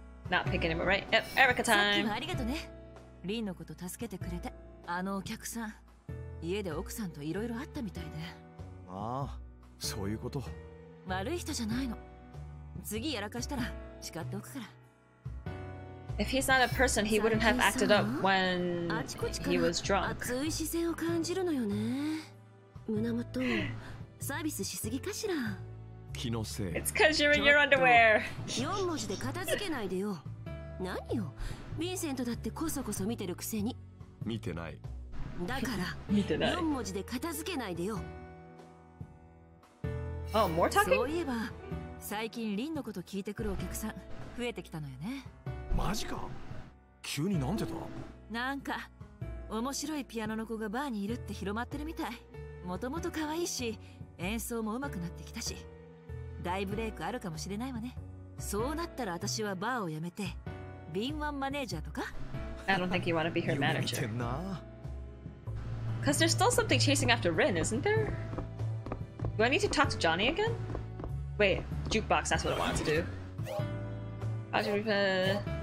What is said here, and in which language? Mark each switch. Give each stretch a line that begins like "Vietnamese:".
English: Not picking him up, right? Yep, Erica time.
Japanese: さっきはありがとね。リンのこと助けてくれて。あのお客さん、家で奥さんといろいろあったみたいで。ああ、そういうこと。悪い人じゃないの。次やらかしたら叱っておくから。
English: If he's not a person, he wouldn't have acted up when he was drunk.
Japanese: 熱い視線を感じるのよね。胸元、サービスしすぎかしら。気のせい。
English: It's because you're in your underwear.
Japanese: 四文字で片付けないでよ。何よ、ヴィンセントだってこそこそ見てるくせに。見てない。だから、見てない。四文字で片付けないでよ。
English: Oh, more talking?
Japanese: そういえば、最近リンのこと聞いてくるお客さん増えてきたのよね。マジか。急になんでだ。なんか面白いピアノの子がバーにいるって広まってるみたい。もともと可愛いし演奏も上手くなってきたし、大ブレイクあるかもしれないわね。そうなったら私はバーを辞めて敏腕マネージャーとか。
English: I don't think you want to be her manager.
Japanese: 夢見てんな。
English: Cause there's still something chasing after Rin, isn't there? Do I need to talk to Johnny again? Wait, jukebox, that's what I wanted to do.